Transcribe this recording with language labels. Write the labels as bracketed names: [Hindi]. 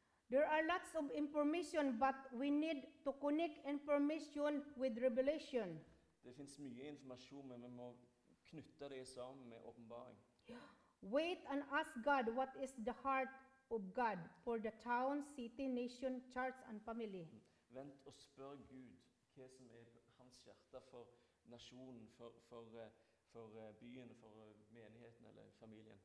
[English] There are lots of information, but we need to connect information with revelation. [Swedish] Det finns mycket information, men vi må knyta det samman med uppenbaring. [English] Wait and ask God what is the heart of God for the town, city, nation, church and family. [Swedish] Vent och spör Gud vad som är hans hjärta för nationen, för byn, för menigheten eller familjen.